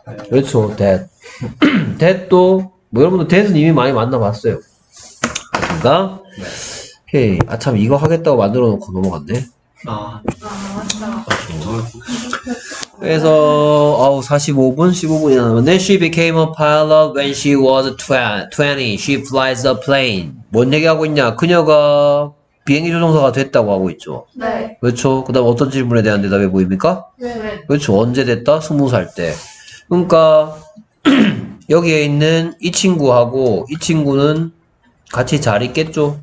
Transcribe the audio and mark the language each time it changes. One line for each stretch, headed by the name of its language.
Korean: 그렇죠, that. that도, 뭐 여러분들 that은 이미 많이 만나봤어요. 됐습니까? 오케이. 아, 참, 이거 하겠다고 만들어 놓고 넘어갔네. 아, 맞다. 그래서 어우 45분 15분이나 남았네.
English: Then she became a pilot when she was 20. She flies a plane.
Korean: 뭔 얘기하고 있냐? 그녀가 비행기 조종사가 됐다고 하고 있죠. 네. 그렇죠. 그다음 어떤 질문에 대한 대답이 보입니까? 네. 그렇죠. 언제 됐다? 20살 때. 그러니까 여기에 있는 이 친구하고 이 친구는 같이 잘 있겠죠.